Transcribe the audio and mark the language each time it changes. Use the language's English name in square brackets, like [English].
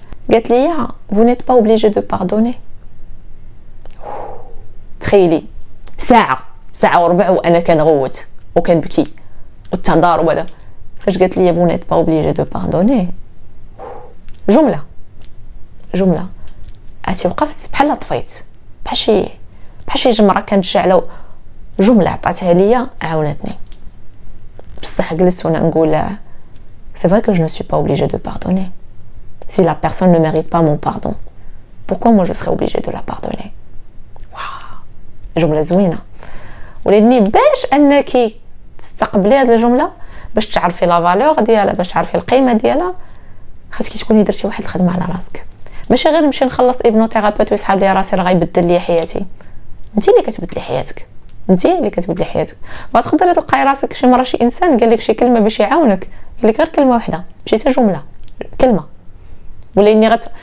[Arabic] قالت لي [French] vous n'êtes pas obligé de pardonner [Arabic] تخيلي ساعه وربع وانا كنغوت وكنبكي والتضارب هذا فاش قالت لي vous n'êtes pas obligé de pardonner جمله عتي وقفت بحال طفيت بحال شي جمره كانت شاعله جمله عطاتها ليا عاونتني بصح جلست وانا نقول [French] c'est vrai que je ne suis pas obligée de pardonner. Si la personne ne mérite pas mon pardon, pourquoi moi je serais obligée de la pardonner? Je me laisse ouïe. [Arabic] ولدني باش انكي تستقبلي هذه الجمله باش تعرفي لا فالور ديالها باش تعرفي القيمه ديالها خاصك تكوني درتي واحد الخدمه على راسك ماشي غير نمشي نخلص ابنو تيرابوت ويسحب لي راسي راه غيبدل لي حياتي انت اللي كتبدلي حياتك انت اللي كتبدلي حياتك ما تقدري تلقاي راسك شي مره شي انسان قال لك شي كلمه باش يعاونك قال لك غير كلمه واحده ماشي حتى جمله كلمه ولاني